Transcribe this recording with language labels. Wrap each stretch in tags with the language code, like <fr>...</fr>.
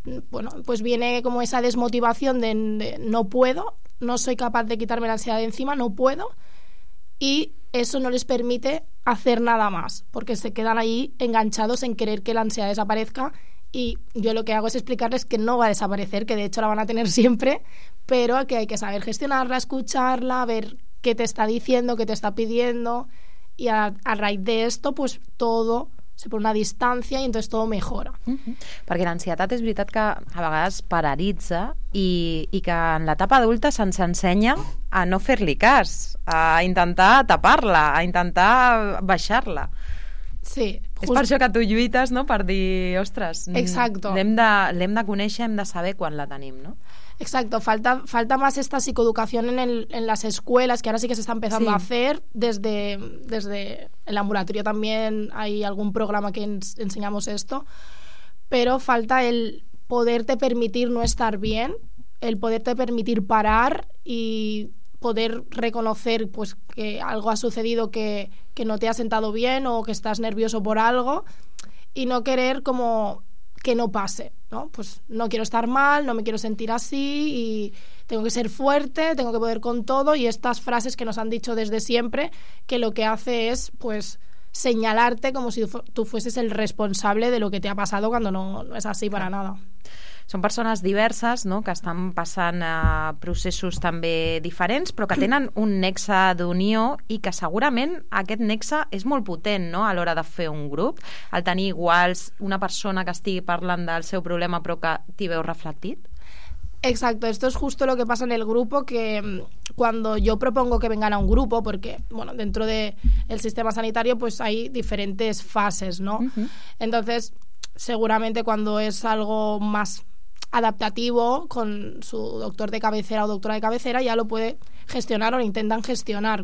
<es>Bueno, pues viene como esa desmotivación de no puedo, no soy capaz de quitarme la ansiedad de encima, no puedo, y eso no les permite hacer nada más, porque se quedan ahí enganchados en querer que la ansiedad desaparezca, y yo lo que hago es explicarles que no va a desaparecer, que de hecho la van a tener siempre, pero que hay que saber gestionarla, escucharla, ver qué te está diciendo, qué te está pidiendo, y a raíz de esto, pues todo se pone a distancia y entonces todo mejora. Uh-huh.</es> <ca>Perquè l'ansietat és veritat que a vegades paralitza i que en l'etapa adulta se'ns ensenya a no fer-li cas, a intentar tapar-la, a intentar baixar-la. Sí. És per això que tu lluites, no?, per dir, ostres,</ca> <es>exacto,</es> <ca>l'hem de conèixer, hem de saber quan la tenim, no?</ca> <es>Exacto, falta más esta psicoeducación en las escuelas, que ahora sí que se está empezando, sí, a hacer, desde el ambulatorio también hay algún programa que enseñamos esto, pero falta el poderte permitir no estar bien, el poderte permitir parar y poder reconocer pues que algo ha sucedido, que no te ha sentado bien o que estás nervioso por algo, y no querer como que no pase, ¿no? Pues no quiero estar mal, no me quiero sentir así, y tengo que ser fuerte, tengo que poder con todo, y estas frases que nos han dicho desde siempre, que lo que hace es pues señalarte como si tú fueses el responsable de lo que te ha pasado, cuando no es así para nada.</es> <ca>Són persones diverses, no?, que estan passant processos també diferents, però que tenen un nexe d'unió, i que segurament aquest nexe és molt potent, no?, a l'hora de fer un grup, el tenir iguals, una persona que estigui parlant del seu problema però que t'hi veu reflectit.</ca> <es>Exacto, esto es justo lo que pasa en el grupo, que cuando yo propongo que vengan a un grupo, porque bueno, dentro del sistema sanitario pues hay diferentes fases, ¿no? Uh-huh. Entonces, seguramente cuando es algo más adaptativo con su doctor de cabecera o doctora de cabecera, ya lo puede gestionar o lo intentan gestionar.</es>